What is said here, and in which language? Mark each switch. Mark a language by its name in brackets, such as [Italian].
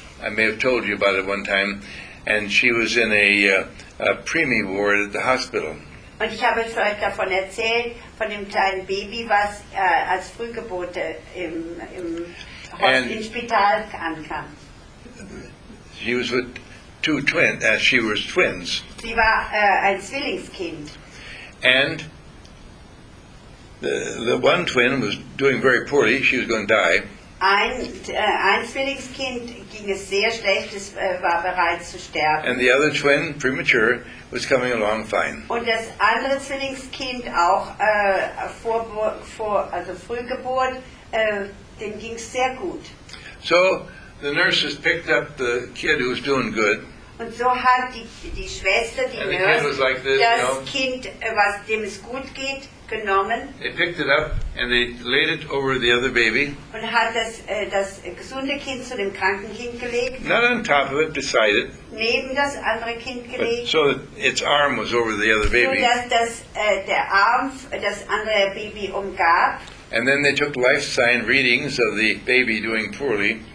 [English] I may have told you about it one time, and she was in a preemie ward at the hospital. [German] Und ich habe euch davon erzählt von dem kleinen Baby, was als Frühgeburte im Spital ankam. [English] She was with two twins. She was twins. [German] Sie war ein Zwillingskind. [English] And the one twin was doing very poorly. She was going to die. [German] Ein Zwillingskind ging es sehr schlecht, es war bereit zu sterben. [English] And the other twin, premature, was coming along fine. [German] Und das andere Zwillingskind auch Frühgeburt, dem ging es sehr gut. [English] So the nurses picked up the kid who was doing good. [German] Und so hat die Schwester, die [English] and Nurse, like this, [German] das [English] you know? [German] Kind, was dem es gut geht, genommen. [English] They picked it up and they laid it over the other baby. [German] Und hat das gesunde Kind zu dem kranken Kind gelegt. [English] Not on top of it, beside it. [German] Neben das andere Kind gelegt. [English] So that its arm was over the other baby. [German] So dass der Arm das andere Baby umgab. [English] And then they took life sign readings of the baby doing poorly.